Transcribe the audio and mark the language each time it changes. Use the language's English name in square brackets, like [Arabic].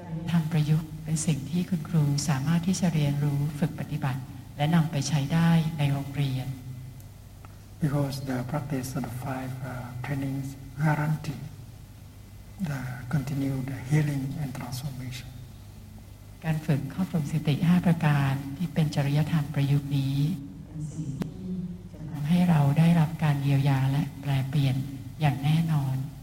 [Thai] ทำประยุกต์เป็นสิ่งที่คุณครูสามารถที่จะเรียนรู้ฝึกปฏิบัติและนำไปใช้ได้ในโรงเรียน [English] Because the practice of the five trainings guarantee the continued healing and transformation. [Thai] การฝึกข้อฝึกสติ5ประการที่เป็นจริยธรรมประยุกต์นี้จะทำให้เราได้รับการเยียวยาและแปลเปลี่ยนอย่างแน่นอน